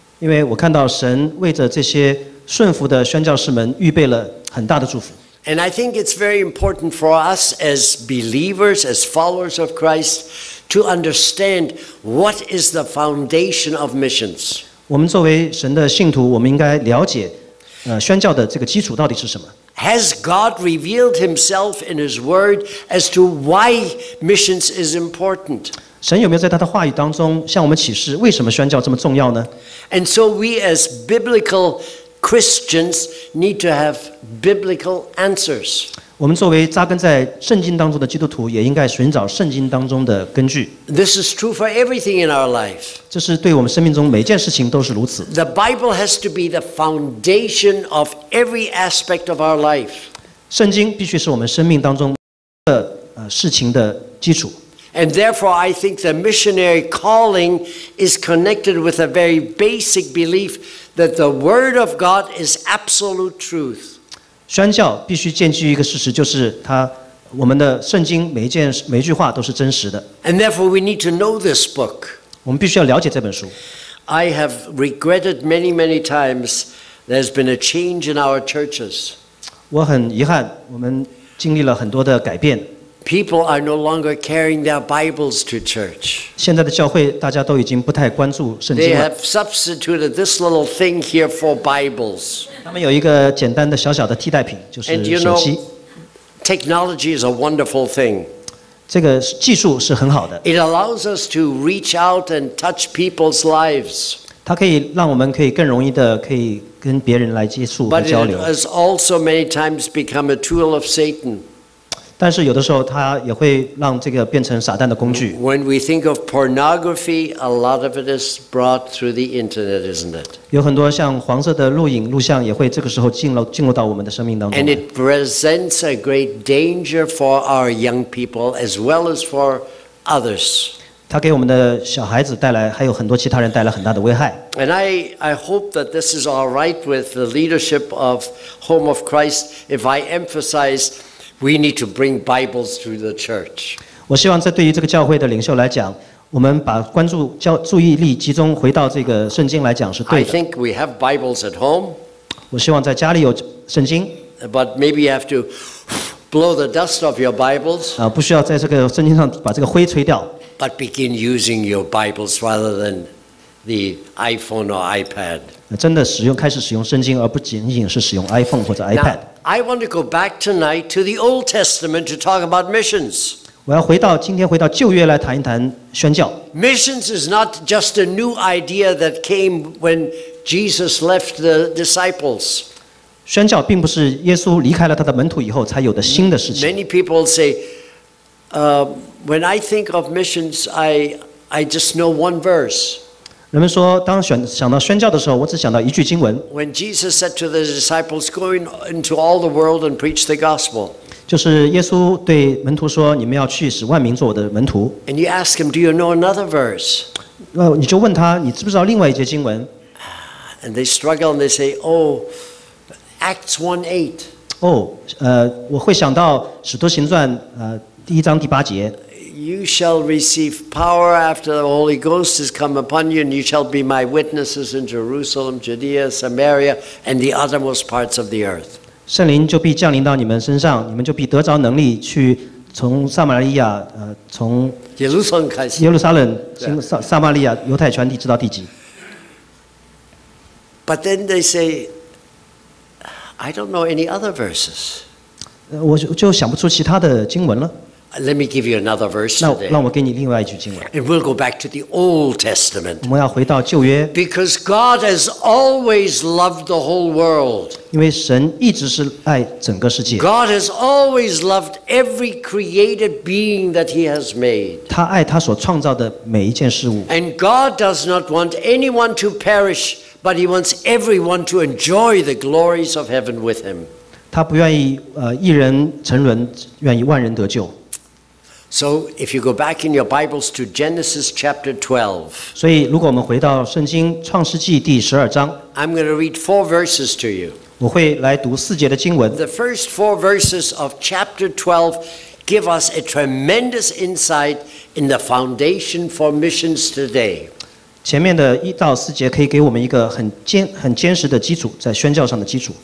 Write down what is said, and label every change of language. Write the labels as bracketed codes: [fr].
[zh] 因为我看到神为着这些顺服的宣教士们预备了很大的祝福。 [en] And I think it's very important for us as believers, as followers of Christ, to understand what is the foundation of missions. [zh] 我们作为神的信徒，我们应该了解，宣教的这个基础到底是什么。 [en] Has God revealed Himself in His Word as to why missions is important? [zh] 神有没有在他的话语当中向我们启示，为什么宣教这么重要呢？ [en] And so we as biblical Christians need to have biblical answers. [zh] 我们作为扎根在圣经当中的基督徒，也应该寻找圣经当中的根据。 [en] This is true for everything in our life. [zh] 这是对我们生命中每件事情都是如此。 [en] The Bible has to be the foundation of every aspect of our life. [zh] 圣经必须是我们生命当中的事情的基础。 [en] And therefore, I think the missionary calling is connected with a very basic belief that the Word of God is absolute truth. [zh] 宣教必须建基于一个事实，就是它我们的圣经每一句话都是真实的。 [en] And therefore, we need to know this book. [zh] 我们必须要了解这本书。 [en] I have regretted many, many times there's been a change in our churches. [zh] 我很遗憾，我们经历了很多的改变。 [en] People are no longer carrying their Bibles to church. [zh] 现在的教会大家都已经不太关注圣经了。 [en] They have substituted this little thing here for Bibles. [zh] 他们有一个简单的小小的替代品，就是手机。 [en] And you know, technology is a wonderful thing. [zh] 这个技术是很好的。 [en] It allows us to reach out and touch people's lives. [zh] 它可以让我们可以更容易的可以跟别人来接触和交流。 [en] But it has also many times become a tool of Satan. [zh] 但是有的时候它也会让这个变成撒旦的工具。 [en] When we think of pornography, a lot of it is brought through the internet, isn't it? [zh] 有很多像黄色的录影、录像也会这个时候进入到我们的生命当中。 [en] And it presents a great danger for our young people as well as for others. [zh] 它给我们的小孩子带来，还有很多其他人带来很大的危害。 [en] And I hope that this is all right with the leadership of Home of Christ if I emphasize. We need to bring Bibles to the church. [zh] 我希望在对于这个教会的领袖来讲，我们把关注注意力集中回到这个圣经来讲是对的。 [en] I think we have Bibles at home. [zh] 我希望在家里有圣经。 [en] But maybe you have to blow the dust off your Bibles. [zh] 不需要在这个圣经上把这个灰吹掉。 [en] But begin using your Bibles rather than the iPhone or iPad. [zh] 真的开始使用圣经，而不仅仅是使用 iPhone 或者 iPad。 [en] I want to go back tonight to the Old Testament to talk about missions. [zh] 我要回到今天回到旧约来谈一谈宣教。 [en] Missions is not just a new idea that came when Jesus left the disciples. [zh] 宣教并不是耶稣离开了他的门徒以后才有的新的事情。 [en] Many people say, when I think of missions, I just know one verse. [zh] 人们说，当想到宣教的时候，我只想到一句经文。 [en] When Jesus said to the disciples, "Go into all the world and preach the gospel." [zh] 就是耶稣对门徒说，你们要去使万民做我的门徒。 [en] And you ask him, "Do you know another verse?" [zh] 你就问他，你知不知道另外一节经文 [en] ？And they struggle and they say, "Oh, Acts 1:8." [zh] 我会想到使徒行传第一章第八节。 [en] You shall receive power after the Holy Ghost has come upon you, and you shall be my witnesses in Jerusalem, Judea, Samaria, and the uttermost parts of the earth. [zh] 圣灵就必降临到你们身上，你们就必得着能力去从撒玛利亚，从耶路撒冷开始，耶路撒冷，撒玛利亚，犹太全地，直到地极。 [en] But then they say, I don't know any other verses. [zh] 我就想不出其他的经文了。 [en] Let me give you another verse. [zh] 让我给你另外一句经文。 [en] And we'll go back to the Old Testament. [zh] 我们要回到旧约。 [en] Because God has always loved the whole world. [zh] 因为神一直是爱整个世界。 [en] God has always loved every created being that He has made. [zh] 他爱他所创造的每一件事物。 [en] And God does not want anyone to perish, but He wants everyone to enjoy the glories of heaven with Him. [zh] 他不愿意一人沉沦，愿意万人得救。 [en] So if you go back in your Bibles to Genesis chapter 12, [zh] 所以如果我们回到圣经创世纪第十二章， [en] I'm going to read four verses to you. [zh] 我会来读四节的经文。 [en] The first four verses of chapter 12 give us a tremendous insight in the foundation for missions today. [zh] 前面的一到四节可以给我们一个很坚实的基础，在宣教上的基础。